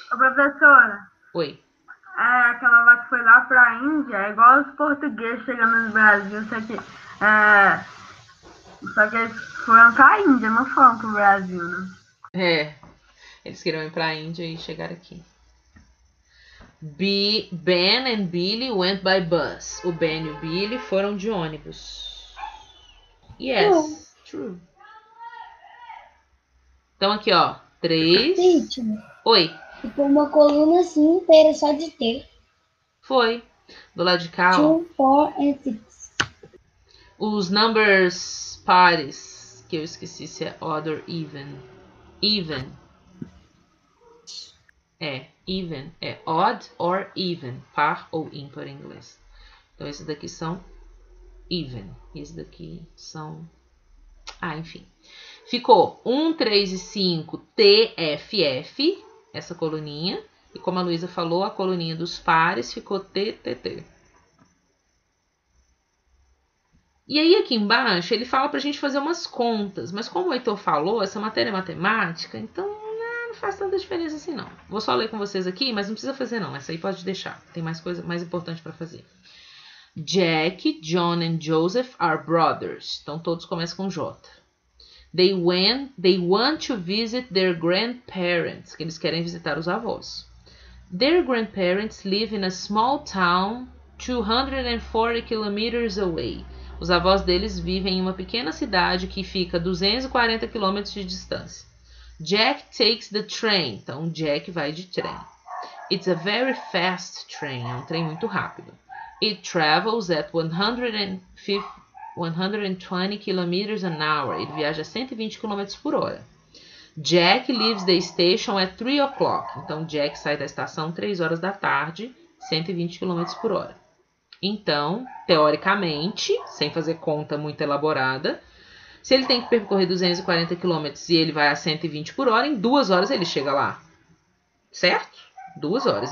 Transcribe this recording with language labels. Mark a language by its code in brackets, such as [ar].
[pt] Ô, professora. Oi. É, aquela lá que foi lá pra Índia, é igual os portugueses chegando no Brasil, só que... É, só que eles foram pra Índia, não foram pro Brasil, né? É. Eles queriam ir para a Índia e chegar aqui. [en] Ben and Billy went by bus. [pt] O Ben e o Billy foram de ônibus. [en] Yes, true. [pt] Então, aqui, ó. 3. Oi. Ficou uma coluna assim inteira, só de T. Foi. Do lado de cá, ó. [en] 2, 4, and 6. [pt] Os numbers pares, que eu esqueci se é [en] odd or even. Even. [pt] É, even, é [en] odd or even, [pt] par ou ímpar em inglês. Então, esses daqui são even, esses daqui são... Ah, enfim. Ficou 1, 3 e 5, T, F, F, essa coluninha. E como a Luísa falou, a coluninha dos pares ficou T, T, T. E aí, aqui embaixo, ele fala pra gente fazer umas contas. Mas como o Heitor falou, essa matéria é matemática, então... Não faz tanta diferença assim, não. Vou só ler com vocês aqui, mas não precisa fazer, não. Essa aí pode deixar. Tem mais coisa mais importante para fazer. [en] Jack, John and Joseph are brothers. [pt] Então, todos começam com J. [en] They want to visit their grandparents. [pt] Que eles querem visitar os avós. [en] Their grandparents live in a small town 240 kilometers away. [pt] Os avós deles vivem em uma pequena cidade que fica 240 quilômetros de distância. [en] Jack takes the train. [pt] Então, Jack vai de trem. [en] It's a very fast train. [pt] É um trem muito rápido. [en] It travels at 120 kilometers an hour. [pt] Ele viaja a 120 km por hora. [en] Jack leaves the station at 3 o'clock. [pt] Então, Jack sai da estação 3 horas da tarde, 120 km por hora. Então, teoricamente, sem fazer conta muito elaborada, se ele tem que percorrer 240 km e ele vai a 120 por hora, em 2 horas ele chega lá. Certo? 2 horas.